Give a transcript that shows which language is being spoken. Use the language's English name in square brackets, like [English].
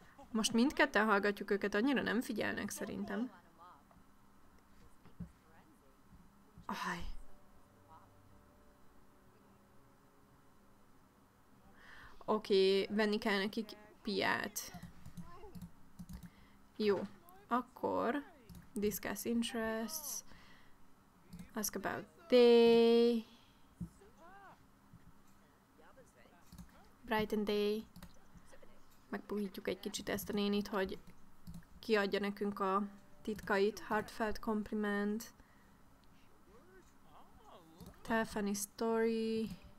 [Hungarian] Most mindketten hallgatjuk őket, annyira nem figyelnek szerintem. Aj. Oké, venni kell nekik piát. Jó, akkor [English] discuss interests, ask about day, brighten day. [Hungarian] Megpuhítjuk egy kicsit ezt a nénit, hogy kiadja nekünk a titkait. [English] Heartfelt compliment. Tell funny story.